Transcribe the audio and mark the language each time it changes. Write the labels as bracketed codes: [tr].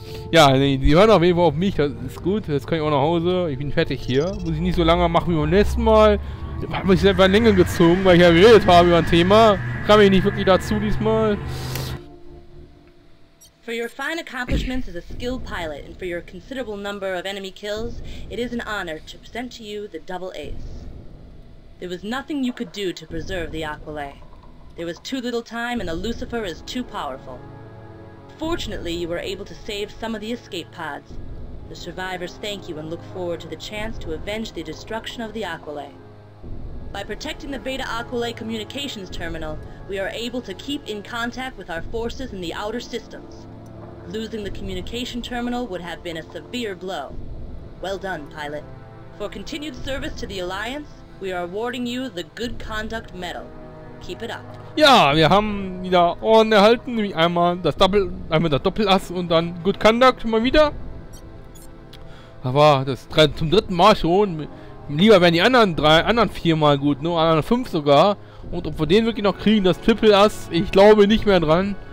[de] Ja, nee, die hören auf jeden Fall auf mich. Das ist gut. Jetzt kann ich auch nach Hause. Ich bin fertig hier. Muss ich nicht so lange machen wie beim letzten Mal. Da habe ich selber in Länge gezogen, weil ich ja geredet habe über ein Thema. Kam ich nicht wirklich dazu diesmal. [en] For your fine accomplishments as a skilled pilot and for your considerable number of enemy kills, it is an honor to present to you the double ace. There was nothing you could do to preserve the Aquilae. There was too little time and the Lucifer is too powerful. Fortunately, you were able to save some of the escape pods. The survivors thank you and look forward to the chance to avenge the destruction of the Aquilae. By protecting the Beta Aquilae communications terminal, we are able to keep in contact with our forces in the outer systems. Losing the communication terminal would have been a severe blow. Well done, pilot. For continued service to the Alliance, we are awarding you the Good Conduct Medal. Keep it up. [de] Ja, wir haben wieder Ohren erhalten, nämlich einmal das Doppelass und dann Good Conduct mal wieder. Aber das zum dritten Mal schon. Lieber wären die anderen vier mal gut, nur anderen fünf sogar. Und ob wir den wirklich noch kriegen, das Triple-Ass, ich glaube nicht mehr dran.